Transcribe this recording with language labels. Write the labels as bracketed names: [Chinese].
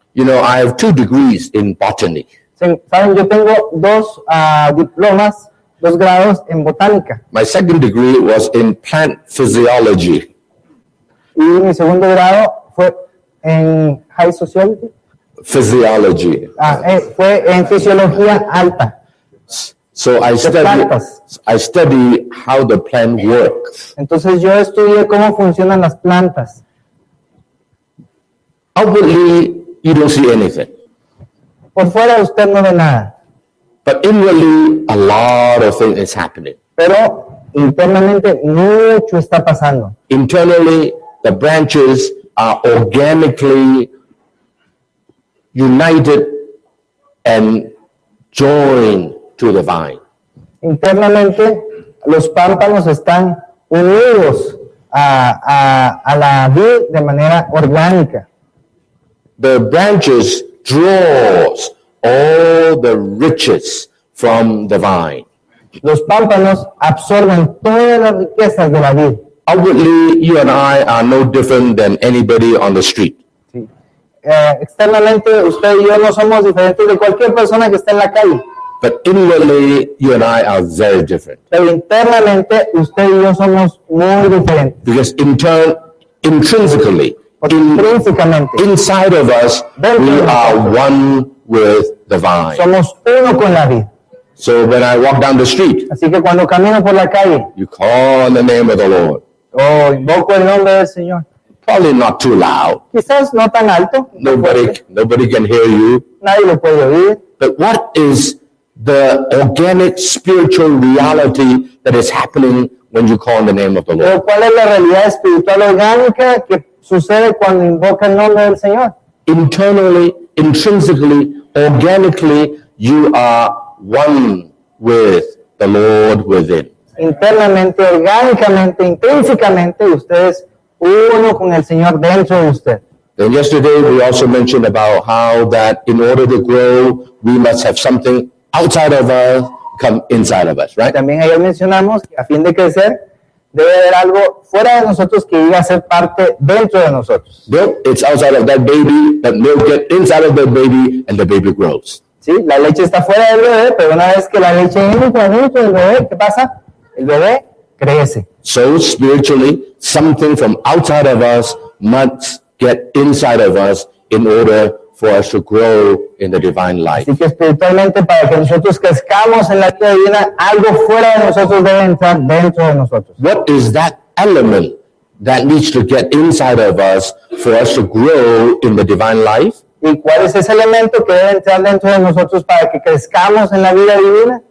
[English] You know, I have 2 degrees in botany. [Spanish] ¿Saben? Yo tengo 2 diplomas, 2 grados en botánica. [English] My 2nd degree was in plant physiology. [Spanish] Y mi 2º grado fue en [English] high sociology. Physiology. [Spanish] Fue en fisiología alta. [English] So I study how the plant works. [Spanish] Entonces yo estudié cómo funcionan las plantas. [English] Outwardly, you don't see anything. [Spanish] Por fuera usted no ve nada. [English] But inwardly, a lot of things is happening. [Spanish] Pero internamente mucho está pasando. [English] Internally, the branches are organically united and joined to the vine. [Spanish] Internamente, los pámpanos están unidos a la vid de manera orgánica. [English] The branches draws all the riches from the vine. [Spanish] Los pámpanos absorben todas las riquezas de la vid. [English] Outwardly, you and I are no different than anybody on the street. [Spanish] Externamente, usted y yo no somos diferentes de cualquier persona que esté en la calle. [English] But inwardly, you and I are very different. [Spanish] Pero internamente, usted y yo somos muy diferentes. [English] Because intrinsically, inside of us, we are one with the vine. [Spanish] Somos uno con la vid. [English] So when I walk down the street, [Spanish] así que cuando camino por la calle, [English] you call on the name of the Lord. [Spanish] Oh, invoco el nombre del Señor. [English] Probably not too loud. [Spanish] Quizás no tan alto. [English] Nobody can hear you. [Spanish] Nadie lo puede oír. [English] But what is the organic spiritual reality that is happening when you call on the name of the Lord? [Spanish] Pero ¿cuál es la realidad espiritual orgánica que sucede cuando invoca el nombre del Señor? [English] Internally, intrinsically, organically, you are one with the Lord within. [Spanish] Internamente, orgánicamente, intrínsecamente, ustedes uno con el Señor dentro de usted. [English] And yesterday we also mentioned about how that in order to grow, we must have something outside of us come inside of us, right? [Spanish] También ayer mencionamos que a fin de crecer debe haber algo fuera de nosotros que iba a ser parte dentro de nosotros. [English] Well, it's outside of that baby, that milk gets inside of the baby and the baby grows. [Spanish] Sí, la leche está fuera del bebé, pero una vez que la leche entra dentro del bebé, ¿qué pasa? El bebé crece. [English] So spiritually, something from outside of us must get inside of us in order for us to grow in the divine life. [Spanish] Así que espiritualmente, para que nosotros crezcamos en la vida divina, algo fuera de nosotros debe entrar dentro de nosotros. [English] What is that element that needs to get inside of us for us to grow in the divine life? [Spanish] ¿Y cuál es ese elemento que debe entrar dentro de nosotros para que crezcamos en la vida divina?